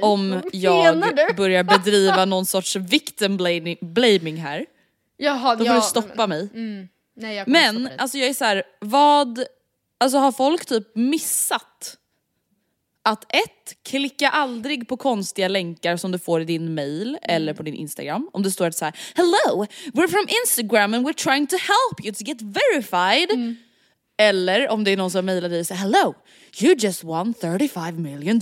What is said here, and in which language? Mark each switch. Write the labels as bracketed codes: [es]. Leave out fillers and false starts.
[sv] Om jag börjar bedriva någon sorts victim blaming här. Jaha, då får du stoppa mig. Mm. Nej, jag men, alltså jag är så här, vad, alltså har folk typ missat att ett, klicka aldrig på konstiga länkar som du får i din mail eller på din Instagram. Om det står så här, [en] hello, we're from Instagram and we're trying to help you to get verified. [sv] Mm. Eller om det är någon som mailar dig och säger, [en] hello, you just won $35 million.